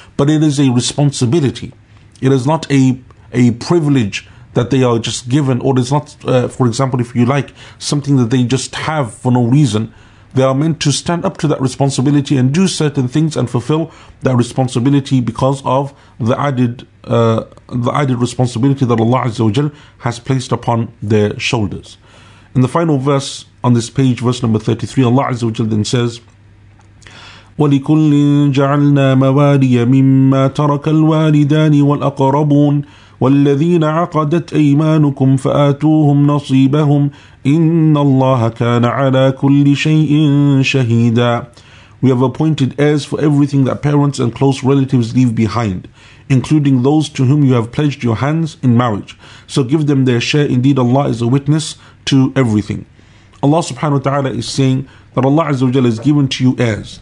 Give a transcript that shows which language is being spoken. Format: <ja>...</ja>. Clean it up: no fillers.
<en>But it is a responsibility. It is not a privilege that they are just given, or it's not, for example, if you like, something that they just have for no reason. They are meant to stand up to that responsibility and do certain things and fulfill that responsibility because of the added responsibility that Allah Azza wa Jal has placed upon their shoulders. In the final verse on this page, verse number 33, Allah Azza wa Jal then says,</en> <ar>وَلِكُلِّ جَعَلْنَا مَوَالِيَ مِمَّا تَرَكَ الْوَالِدَانِ وَالْأَقْرَبُونَ والذين عقدت أيمانكم فآتوهم نصيبهم إن الله كان على كل شيء شهيدا.</ar> <en>We have appointed heirs for everything that parents and close relatives leave behind, including those to whom you have pledged your hands in marriage. So give them their share. Indeed, Allah is a witness to everything. Allah subhanahu wa ta'ala is saying that Allah Azza wa Jalla has given to you heirs.</en>